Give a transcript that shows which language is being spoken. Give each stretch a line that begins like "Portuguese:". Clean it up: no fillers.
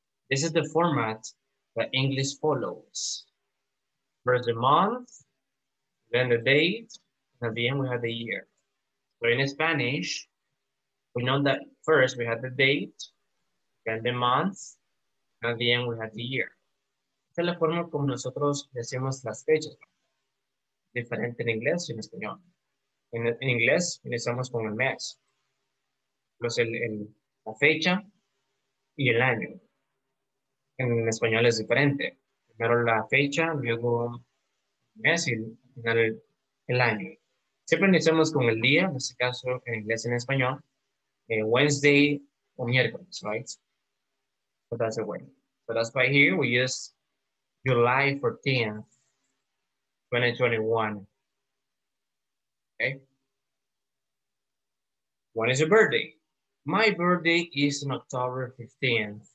English: This is the format that English follows. First the month, then the date, and at the end we have the year. So in Spanish, we know that first we have the date, then the month, and at the end we have the year.
Spanish: Esta es la forma como nosotros decimos las fechas. Diferente en inglés y en español. En inglés, iniciamos con el mes. Pues la fecha y el año. En español es diferente. Primero la fecha, luego el mes y el año. Siempre iniciamos con el día, en este caso en inglés y en español.
English: Wednesday
Spanish: o miércoles,
English: right? So that's the way. So that's why here we use July 14th, 2021. Okay? When is your birthday? My birthday is on October 15th.